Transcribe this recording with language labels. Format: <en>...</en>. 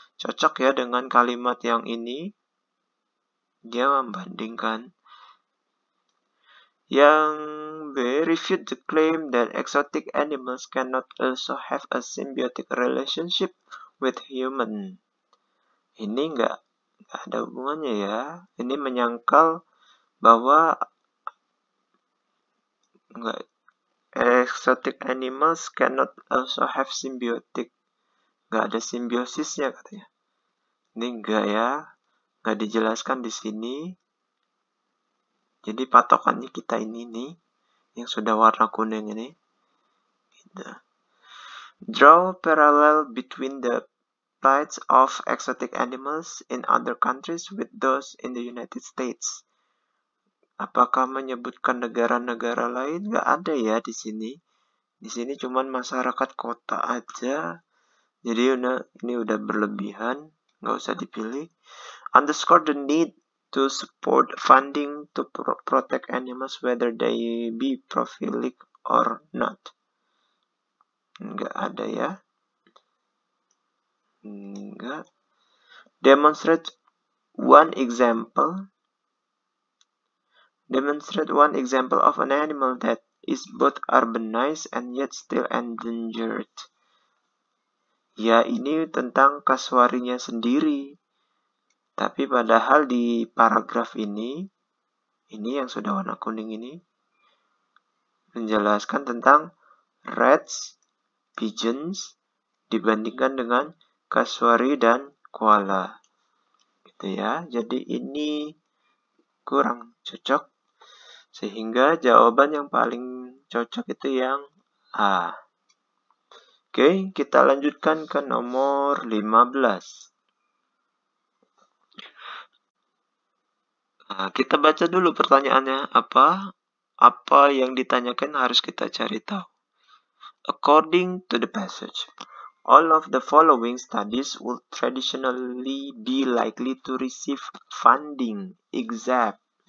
<id>Cocok ya dengan kalimat yang ini? Dia membandingkan. Yang B,</id> <en>refute the claim that exotic animals cannot also have a symbiotic relationship with human.</en> <id>Ini nggak ada hubungannya ya. Ini menyangkal bahwa nggak,</id> <en>exotic animals cannot also have symbiotic.</en> <id>Nggak ada simbiosisnya katanya. Ini nggak ya. nggak dijelaskan di sini. Jadi patokannya kita ini yang sudah warna kuning ini.</id> <en>Draw parallel between the plights of exotic animals in other countries with those in the United States.</en> <id>Apakah menyebutkan negara-negara lain? Nggak ada ya di sini. Di sini cuman masyarakat kota aja. Jadi ini udah berlebihan, nggak usah dipilih.</id> <en>Underscore the need to support funding to protect animals whether they be prolific or not.</en> <id>Nggak ada ya.</id> <en>Nggak. Demonstrate one example. Demonstrate one example of an animal that is both urbanized and yet still endangered.</en> <id>Ya, ini tentang kasuarinya sendiri. Tapi padahal di paragraf ini yang sudah warna kuning ini, menjelaskan tentang rats, pigeons, dibandingkan dengan kasuari dan koala. Gitu ya, jadi ini kurang cocok. Sehingga jawaban yang paling cocok itu yang A. Oke, kita lanjutkan ke nomor 15. Nah, kita baca dulu pertanyaannya apa? Apa yang ditanyakan harus kita cari tahu.</id> <en>According to the passage, all of the following studies will traditionally be likely to receive funding, except.</en>